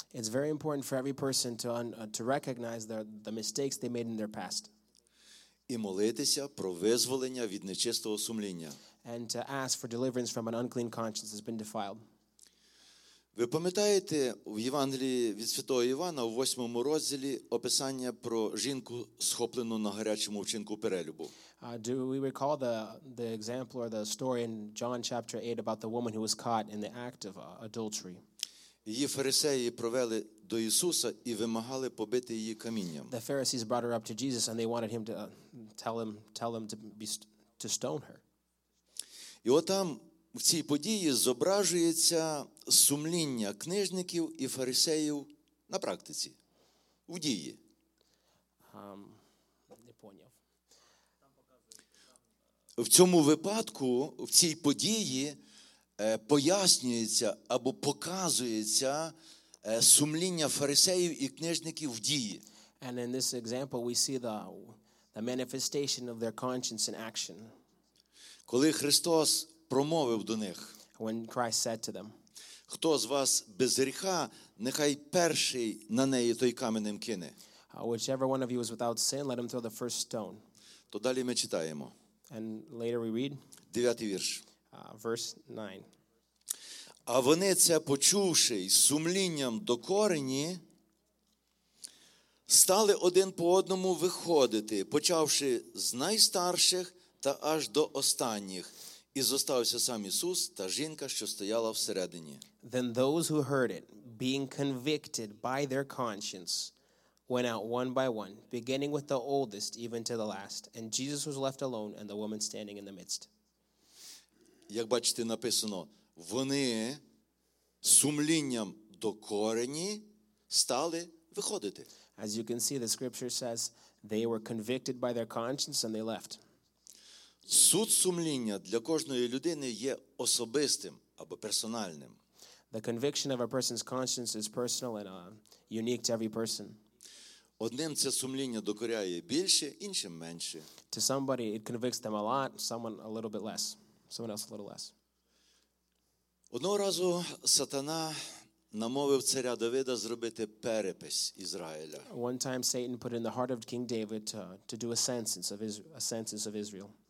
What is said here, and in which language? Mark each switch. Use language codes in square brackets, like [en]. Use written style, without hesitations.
[en] It's very important for every person to recognize the mistakes they made in their past. [uk] І молитися про визволення від нечистого сумління. [en] And to ask for deliverance from an unclean conscience that's been defiled. [uk] Ви пам'ятаєте в Євангелії від Святого Івана у 8 розділі описання про жінку, схоплену на гарячому вчинку перелюбу? [en] Do we recall the example or the story in John chapter 8 about the woman who was caught in the act of adultery? [uk] Її фарисеї провели до Ісуса і вимагали побити її камінням. [en] The Pharisees brought her up to Jesus and they wanted him to tell him to stone her. [uk] І от там в цій події зображується сумління книжників і фарисеїв на практиці, в дії. [ru] Не поняв. [uk] В цьому випадку, в цій події, пояснюється або показується сумління фарисеїв і книжників в дії. [en] And in this example we see the manifestation of their conscience in action. [uk] Коли Христос промовив до них. [en] When Christ said to them. [uk] Хто з вас без гріха, нехай перший на неї той каменем кине. [en] Whichever one of you is without sin, let him throw the first stone. [uk] То далі ми читаємо. [en] And later we read. [uk] 9 вірш. [en] Verse 9. [uk] А вони це почувши й сумлінням до корені, стали один по одному виходити, почавши з найстарших та аж до останніх. І зостався сам Ісус та жінка, що стояла всередині. [en] Then those who heard it, being convicted by their conscience, went out one by one, beginning with the oldest, even to the last. And Jesus was left alone, and the woman standing in the midst. [uk] Як бачите, написано, вони сумлінням до корені стали виходити. [en] As you can see, the scripture says, they were convicted by their conscience, and they left. [uk] Суд сумління для кожної людини є особистим або персональним. [en] The conviction of a person's conscience is personal and unique to every person. [uk] Одним це сумління докоряє більше, іншим менше. [en] To somebody it convicts them a lot, someone a little bit less, someone else a little less. [uk] Одного разу сатана намовив царя Давида зробити перепись Ізраїля. [en] One time Satan put in the heart of King David to do a census of Israel.